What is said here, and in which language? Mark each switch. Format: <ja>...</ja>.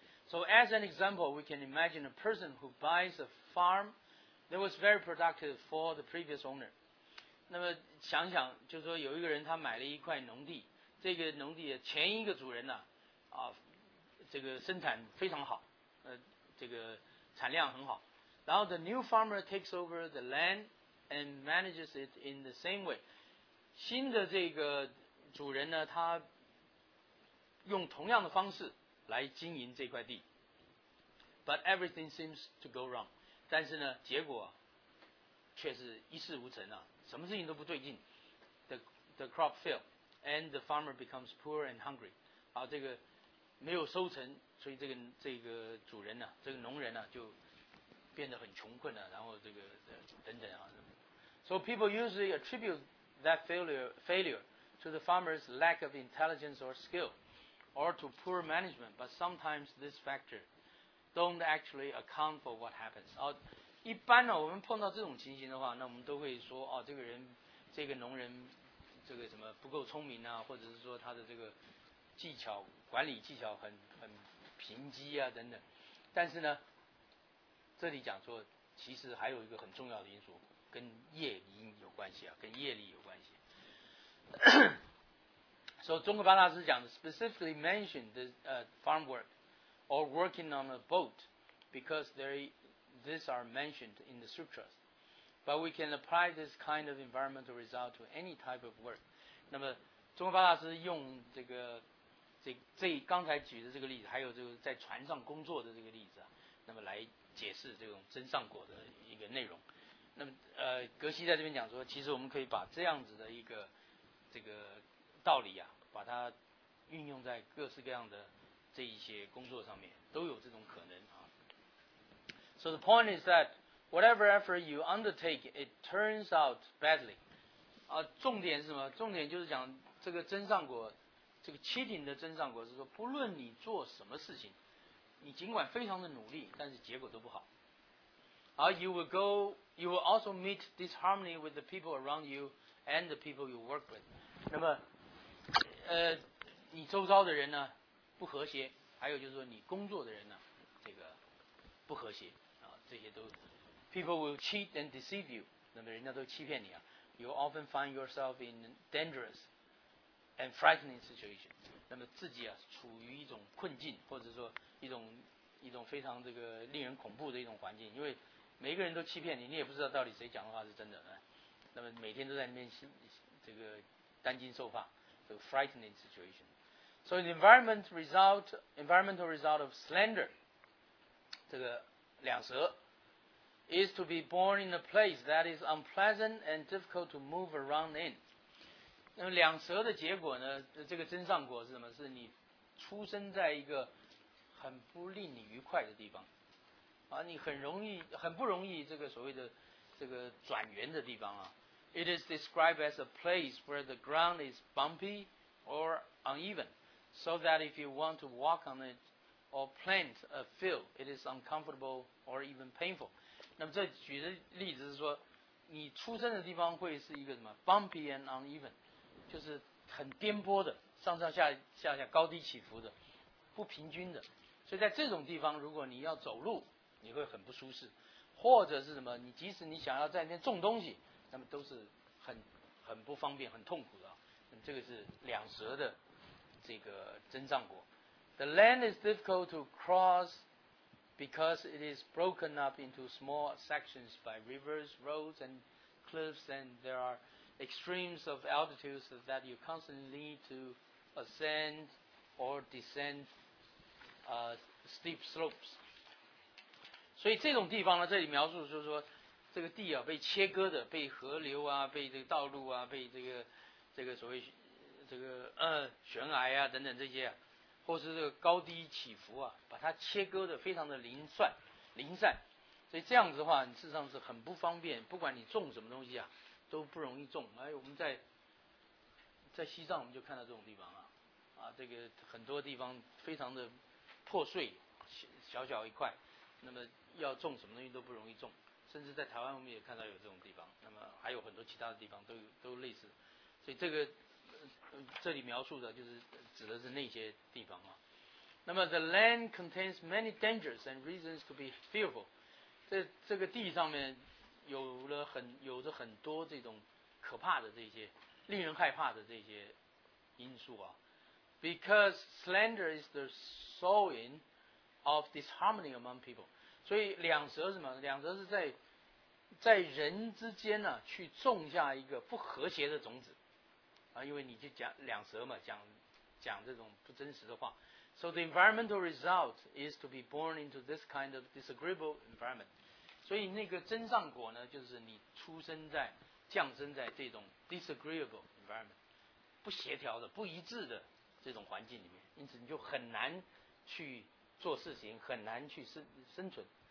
<en>So as an example, we can imagine a person who buys a farm that was very productive for the previous owner.</en> <zh>那么想想，就是说有一个人他买了一块农地，这个农地的前一个主人呢、啊，这个生产非常好，这个产量很好。然后</zh> <en>the new farmer takes over the land and manages it in the same way.</en> <zh>新的这个主人呢，他用同样的方式来经营这块地。</zh> <en>But everything seems to go wrong.</en> <zh>但是呢，结果却是一事无成啊，什么事情都不对劲。</zh> <en>The crop fail, and the farmer becomes poor and hungry.</en> <zh>好，这个没有收成，所以这个主人呢、啊，这个农人呢、啊、就变得很穷困了、啊，然后这个等等啊。</zh> <en>So people usually attribute that failure to the farmer's lack of intelligence or skill, or to poor management. But sometimes this factor don't actually account for what happens. 哦，</en> <zh>一般呢、啊，我们碰到这种情形的话，那我们都会说，哦，这个人，这个农人，这个什么不够聪明啊，或者是说他的这个技巧管理技巧很贫瘠啊等等。但是呢，这里讲说，其实还有一个很重要的因素。跟业因有关系啊，跟业力有关系。所以，中国巴大师讲的</zh> <en>specifically mentioned the farm work or working on a boat because these are mentioned in the sutras. But we can apply this kind of environmental result to any type of work.</en> <zh>那么，中国巴大师用这刚才举的这个例子，还有就是在船上工作的这个例子啊，那么来解释这种真上果的一个内容。那么格西在这边讲说，其实我们可以把这样子的一个这个道理啊，把它运用在各式各样的这一些工作上面，都有这种可能啊。</zh> <en>So the point is that whatever effort you undertake, it turns out badly.</en> <zh>啊，重点是什么？重点就是讲这个真上果，这个cheating的真上果是说，不论你做什么事情，你尽管非常的努力，但是结果都不好。</zh> <en>You will also meet disharmony with the people around you and the people you work with.</en> <zh>那么，你周遭的人呢不和谐，还有就是说你工作的人呢，这个不和谐啊，这些都</zh> <en>people will cheat and deceive you.</en> <zh>那么人家都欺骗你啊。</zh> <en>You often find yourself in dangerous and frightening situation.</en> <zh>那么自己啊处于一种困境，或者说一种非常这个令人恐怖的一种环境，因为每个人都欺骗你，你也不知道到底谁讲的话是真的。那么每天都在那边这个担惊受怕，这个</zh> <en>frightening situation. So the environmental result of slander,</en> <zh>这个两舌</zh> <en>is to be born in a place that is unpleasant and difficult to move around in.</en> <zh>那么两舌的结果呢，这个真上果是什么？是你出生在一个很不令你愉快的地方。啊，你很容易，很不容易，这个所谓的这个转圆的地方啊。</zh> <en>It is described as a place where the ground is bumpy or uneven, so that if you want to walk on it or plant a field, it is uncomfortable or even painful.</en> <zh>那么这举的例子是说，你出生的地方会是一个什么</zh> <en>bumpy and uneven,</en> <zh>就是很颠簸的，上上下下下高低起伏的，不平均的。所以在这种地方，如果你要走路，你会很不舒适，或者是什么？你即使你想要在那边种东西，那么都是很不方便、很痛苦的、啊。那么这个是两舌的这个真上果。</zh> <en>The land is difficult to cross because it is broken up into small sections by rivers, roads, and cliffs, and there are extremes of altitudes that you constantly need to ascend or descend steep slopes.</en> <zh>所以这种地方呢，这里描述就是说，这个地啊被切割的，被河流啊，被这个道路啊，被这个所谓这个悬崖啊等等这些、啊，或是这个高低起伏啊，把它切割的非常的零散。所以这样子的话，你事实上是很不方便，不管你种什么东西啊，都不容易种。哎，我们在西藏我们就看到这种地方啊，这个很多地方非常的破碎，小小一块。那么要种什么东西都不容易种，甚至在台湾我们也看到有这种地方，那么还有很多其他的地方都类似，所以这个这里描述的就是指的是那些地方啊。那么</zh> <en>the land contains many dangers and reasons to be fearful.</en> <zh>这个地上面有着很多这种可怕的这些令人害怕的这些因素啊。</zh> <en>Because slander is the sowing of disharmony among people.</en> <zh>所以两舌是什么？两舌是在人之间呢、啊，去种下一个不和谐的种子啊，因为你就讲两舌嘛，讲这种不真实的话。</zh> <en>So the environmental result is to be born into this kind of disagreeable environment.</en> <zh>所以那个真善果呢，就是你出生在降生在这种</zh> <en>disagreeable environment，</en> <zh>不协调的、不一致的这种环境里面，因此你就很难去做事情，很难去生存。</zh>